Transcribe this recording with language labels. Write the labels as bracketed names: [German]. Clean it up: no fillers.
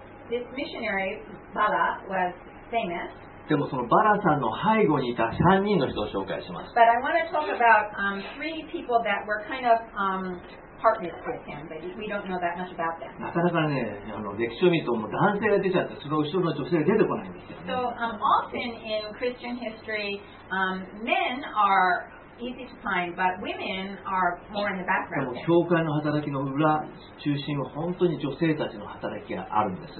[English] this missionary Bala was famous. [Japanese] でもそのバラさんの背後にいた3人の人を紹介します。 [English] But I want to talk about three people that were kind of partners with him, but we don't know that much about them. [Japanese] なかなかね、あの歴史を見るともう男性が出ちゃってその後ろの女性が出てこないんですよ、ね、 [English] So often in Christian history men are easy to find, but women are more in the background. [Japanese] でも教会の働きの裏中心は本当に女性たちの働きがあるんです。